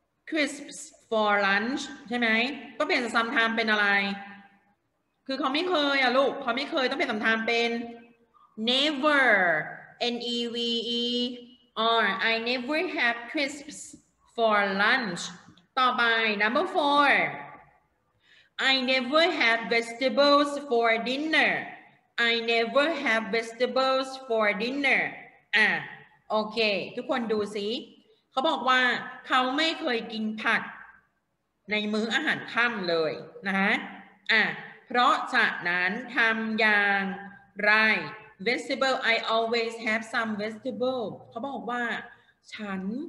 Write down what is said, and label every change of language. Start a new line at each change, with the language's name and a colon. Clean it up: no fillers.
English: crisps for lunch
Thai: ใช่ไหมก็เปลี่ยน sometimes เป็นอะไรคือเขาไม่เคยอ่ะลูกเขาไม่เคยต้องเปลี่ยน sometimes เป็น Never N-E-V-E-R
English: I never have crispsFor lunch. ต่อไป number 4. I never have vegetables for dinner. I never have vegetables for dinner.
Thai: ะโอเคทุกคนดูสิเขาบอกว่าเขาไม่เคยกินผักในมื้ออาหารค่ำเลยนะอ่ะเพราะฉะนั้นทำอย่างไร vegetable
English: I always have some vegetable
Thai: เขาบอกว่าฉัน